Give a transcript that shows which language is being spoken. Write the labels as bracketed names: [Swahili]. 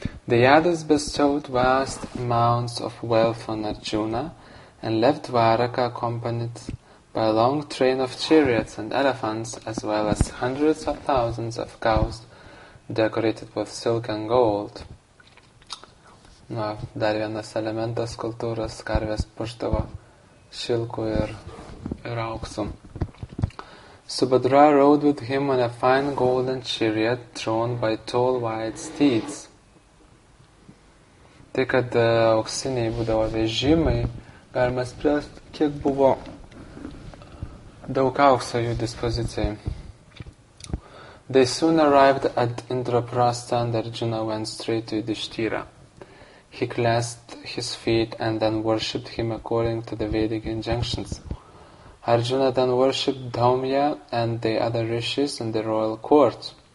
[English] The Yadus bestowed vast amounts of wealth on Arjuna and left Dwaraka accompanied by a long train of chariots and elephants as well as hundreds of thousands of cows decorated with silk and gold. [Lithuanian] Na, dar vienas elementas kultūros, karvės puštavo šilku ir auksu. [English] Subhadra rode with him on a fine golden chariot drawn by tall white steeds. [Lithuanian] Tai, kad auksiniai būdavo vežimai, galima spręsti, kiek buvo daug aukso jų dispozicijai. [English] They soon arrived at Indraprastha and Arjuna went straight to Yudhishthira. He clasped his feet and then worshipped him according to the Vedic injunctions. Arjuna then worshipped Dhaumya and the other rishis in the royal court.